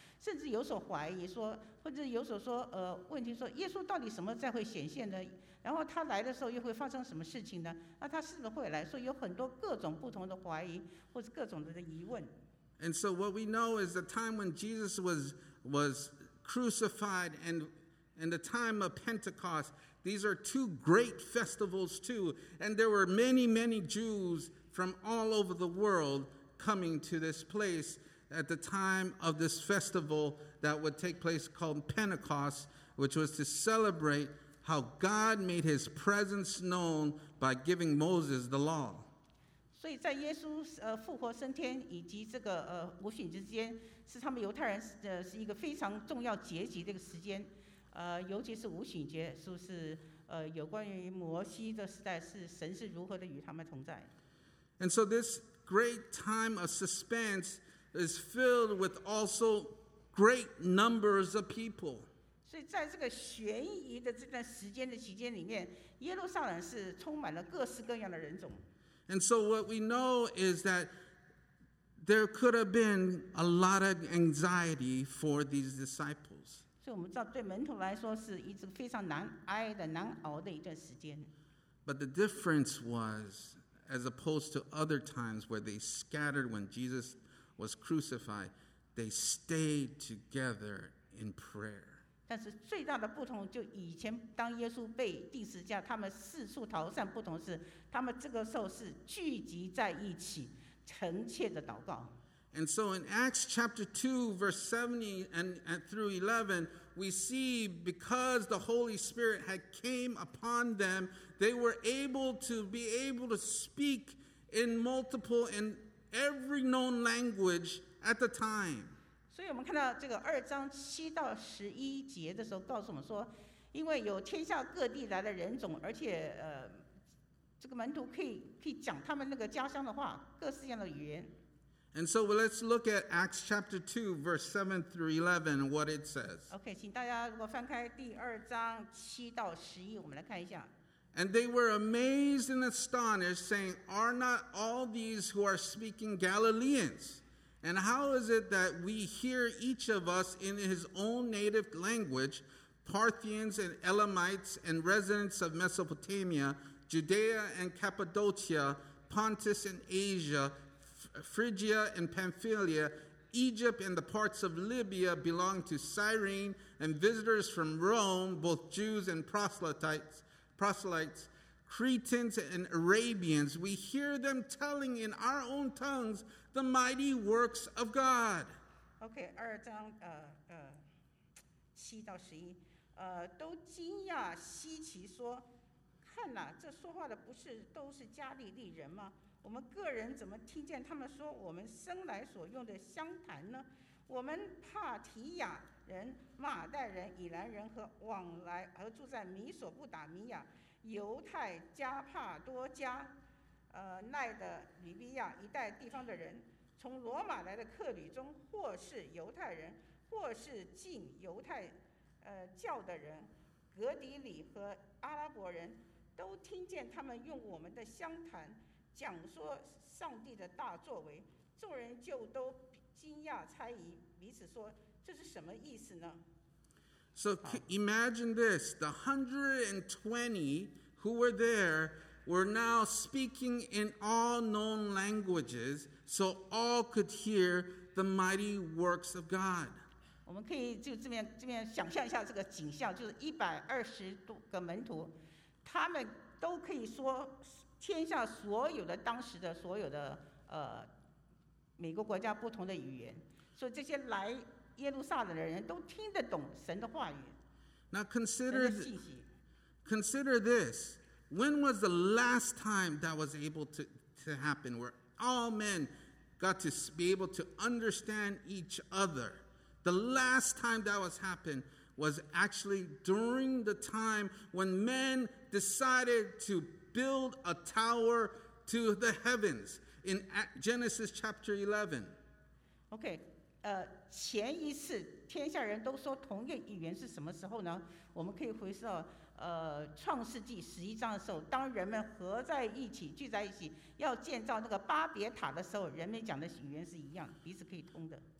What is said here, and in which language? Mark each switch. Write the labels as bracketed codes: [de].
[zh] 甚至有所怀疑说，或者有所说，问题说，耶稣到底什么再会显现呢？然后他来的时候又会发生什么事情呢？那他是否会来？所以有很多各种不同的怀疑，或者各种的疑问。 [en] And so what we know is the time when Jesus was crucified and the time of Pentecost, these are two great festivals too, and there were many, many Jews from all over the world coming to this place. At the time of this festival that would take place called Pentecost, which was to celebrate how God made his presence known by giving Moses the law. So, in Jesus' [zh] 复活升天以及这个五旬之间，是他们犹太人的一个非常重要节期这个时间。尤其是五旬节，是不是有关于摩西的时代，是神是如何的与他们同在 [en] ？And so, this great time of suspense. is filled with also great numbers of people. [zh] 所以在这个悬疑的这段时间的期间里面，耶路撒冷是充满了各式各样的人种。 [en] And so what we know is that there could have been a lot of anxiety for these disciples. [zh] 所以我们知道，对门徒来说是一直非常难挨的、难熬的一段时间。 [en] But the difference was, as opposed to other times where they scattered when Jesus was crucified, they stayed together in prayer. [zh] 但是最大的不同就以前当耶稣被钉十字架，他们四处逃散，不同是他们这个时候是聚集在一起，诚切的祷告。 [en] And so in Acts chapter 2, verse 70 through 11, we see because the Holy Spirit had came upon them, they were able to speak in multiple and every known language at the time. [zh] 所以我们看到这个二章七到十一节的时候告诉我们说，因为有天下各地来的人种，而且这个门徒可以讲他们那个家乡的话，各式各样的语言。 [en] And so let's look at Acts chapter 2, verse 7 through 11, what it says. [zh] Okay, 请大家如果翻开第二章七到十一，我们来看一下。 [en] And they were amazed and astonished, saying, Are not all these who are speaking Galileans? And how is it that we hear each of us in his own native language, Parthians and Elamites and residents of Mesopotamia, Judea and Cappadocia, Pontus and Asia, Phrygia and Pamphylia, Egypt and the parts of Libya belong to Cyrene, and visitors from Rome, both Jews and proselytes, Cretans and Arabians, we hear them telling in our own tongues the mighty works of God. [zh] Okay, 二章七到十一，都惊讶稀奇说，看哪，这说话的不是都是加利利人吗？我们个人怎么听见他们说我们生来所用的乡谈呢？我们帕提亚人、马代人、以兰人和往来和住在米索不达米亚、犹太、加帕多加、奈的吕比亚一带地方的人，从罗马来的客旅中，或是犹太人，或是进犹太教的人，格底里和阿拉伯人，都听见他们用我们的乡谈。讲说上帝的大作为，众人就都惊讶猜疑，彼此说这是什么意思呢？ [en] So imagine this, the 120 who were there were now speaking in all known languages, so all could hear the mighty works of God. [zh] 我们可以就这边想象一下这个景象，就是120多个门徒，他们都可以说天下所有的当时的所有的每个国家不同的语言，所以这些来耶路撒冷的人都听得懂神的话语。 [en] Now consider this. When was the last time that was able to happen where all men got to be able to understand each other? The last time that was happened was actually during the time when men decided to build a tower to the heavens in Genesis chapter 11. [zh] Okay, 前一次天下人都说同一语言是什么时候呢？我们可以回到创世纪十一章的时候，当人们合在一起聚在一起要建造那个巴别塔的时候，人们讲的语言是一样，彼此可以通的。